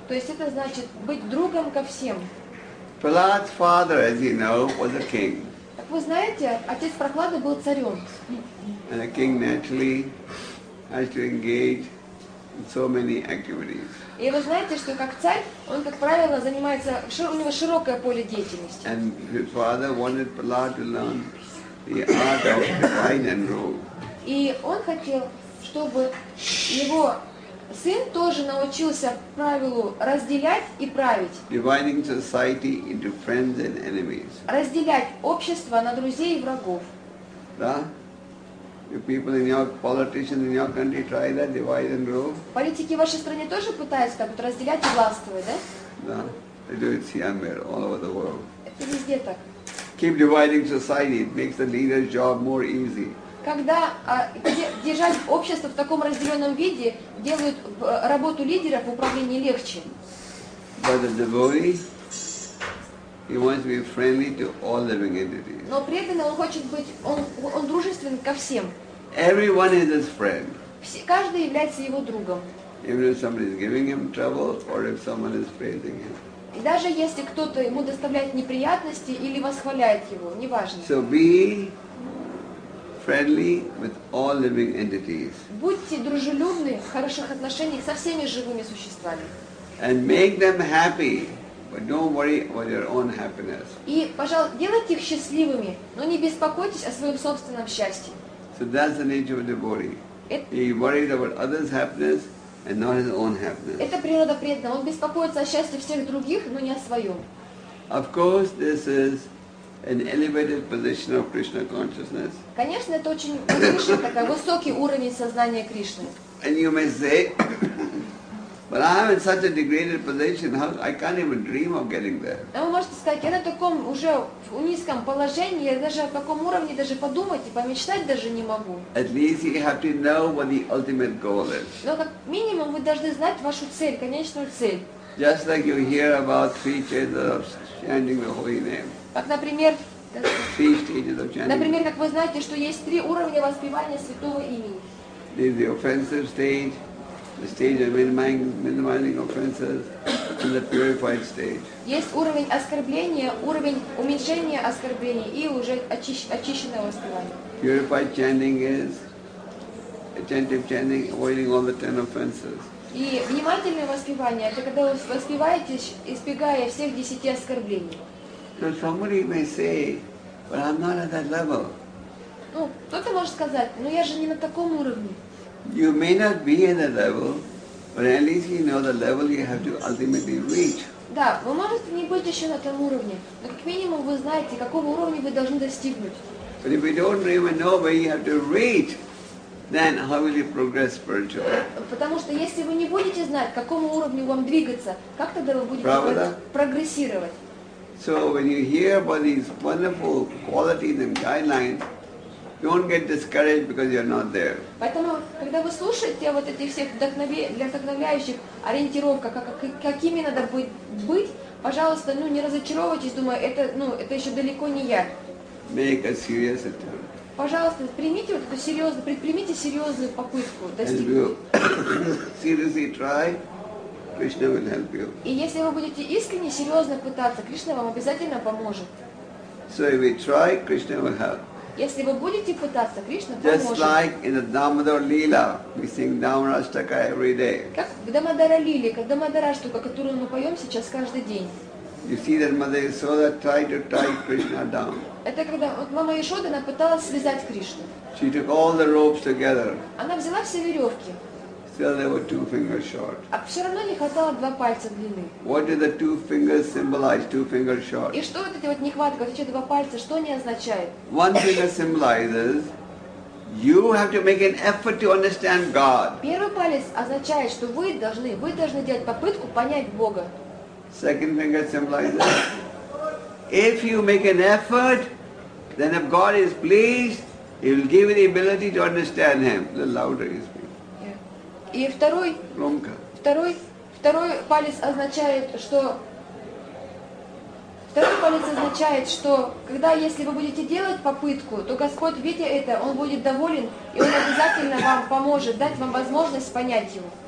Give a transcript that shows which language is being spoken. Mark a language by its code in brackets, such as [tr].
[ru] То есть это значит быть другом ко всем. [en] Prahlad's father, as you know, was a king. [ru] Так вы знаете, отец Прохлады был царем. [en] And a king naturally has to engage in so many activities. [ru] И вы знаете, что как царь, он, как правило, занимается, у него широкое поле деятельности. [en] And his father wanted Prahlad to learn the art of divine and rule. [ru] И он хотел, чтобы его сын тоже научился правилу разделять и править. [en] Dividing society into friends and enemies. [ru] Разделять общество на друзей и врагов. Да? [en] If people in your politicians in your country try that, divide and rule. [ru] Политики в вашей стране тоже пытаются как-то разделять и властвовать, да? Да. [en] They do it somewhere, all over the world. [ru] Это везде так. [en] Keep dividing society, it makes the leader's job more easy. [ru] Когда держать общество в таком разделенном виде делают работу лидеров в управлении легче. [en] But the devotee, he wants to be friendly to all living entities. [ru] Но преданный, он хочет быть, он дружествен ко всем. [en] Everyone is his friend. [ru] Каждый является его другом. [en] Even if somebody is giving him trouble or if someone is praising him. [ru] И даже если кто-то ему доставляет неприятности или восхваляет его, неважно. [en] So be friendly with all living entities. [ru] Будьте дружелюбны в хороших отношениях со всеми живыми существами. [en] And make them happy, but don't worry about your own happiness. [ru] И, пожалуйста, делайте их счастливыми, но не беспокойтесь о своем собственном счастье. [en] So that's the nature of the devotee. He worries about others' happiness and not his own happiness. [ru] Это природа преданного. Он беспокоится о счастье всех других, но не о своем. [en] Of course, this is an elevated position of Krishna consciousness. [ru] Конечно, это очень высший, такой высокий уровень сознания Кришны. [en] And you may say, but I am in such a degraded position, I can't even dream of getting there. [ru] А вы можете сказать, я на таком уже в низком положении, я даже о таком уровне даже подумать и помечтать даже не могу. [en] At least you have to know what the ultimate goal is. [ru] Но как минимум вы должны знать вашу цель, конечную цель. [en] Just like you hear about three chances of chanting the holy name. [ru] Как, например, как вы знаете, что есть три уровня воспевания святого имени. [en] There is the offensive stage, the stage of minimizing offenses, to the purified stage. [ru] Есть уровень оскорбления, уровень уменьшения оскорблений и уже очищенного оскорбления. [en] Purified chanting is attentive chanting, avoiding all the 10 offenses. [ru] И внимательное воспевание — это когда вы воспеваете, избегая всех 10 оскорблений. [en] So somebody may say, but I'm not at that level. [ru] Ну, кто-то может сказать, но я же не на таком уровне. [en] You may not be at that level, but at least you know the level you have to ultimately reach. [ru] Да, вы можете не быть еще на том уровне, но как минимум вы знаете, какого уровня вы должны достигнуть. [en] But if you don't even know where you have to reach, then how will you progress spiritually? [ru] Потому что если вы не будете знать, к какому уровню вам двигаться, как тогда вы будете прогрессировать? [en] So when you hear about these wonderful qualities and guidelines, you won't get discouraged because you're not there. [ru] Поэтому, когда вы слушаете вот этих всех вдохновляющих ориентировка, какими надо быть, пожалуйста, ну не разочаровывайтесь, думаю, это еще далеко не я. [en] Make a serious attempt. [ru] Пожалуйста, примите вот эту серьезную, предпримите серьезную попытку достичь. [en] Seriously try, Krishna will help you. [ru] И если вы будете искренне, серьезно пытаться, Кришна вам обязательно поможет. [en] So if we try, Krishna will help. [ru] Если вы будете пытаться, Кришна поможет. [en] Just like in the Damodar Lila, we sing Damarashtaka every day. [ru] Как в Дамодара Лиле, как Дамодараштука, которую мы поем сейчас каждый день. [en] You see that Mother Yashoda tried to tie Krishna down. [ru] Это когда мама Яшода она пыталась связать Кришну. [en] She took all the ropes together. [ru] Она взяла все веревки. [en] Still there were two fingers short. [ru] А все равно не хватало два пальца длины. [en] What did the two fingers symbolize? Two fingers short. [ru] И что вот эти вот нехватка, вот эти два пальца, что они означают? [en] One finger symbolizes you have to make an effort to understand God. [ru] Первый палец означает, что вы должны делать попытку понять Бога. [en] Second finger symbolizes if you make an effort, then if God is pleased, He will give you the ability to understand Him. A little louder, you speak. Yeah. [ru] И второй. Громко. Второй палец означает, что. Второй палец означает, что когда если вы будете делать попытку, то Господь, видя это, Он будет доволен и Он обязательно вам поможет, дать вам возможность понять Его.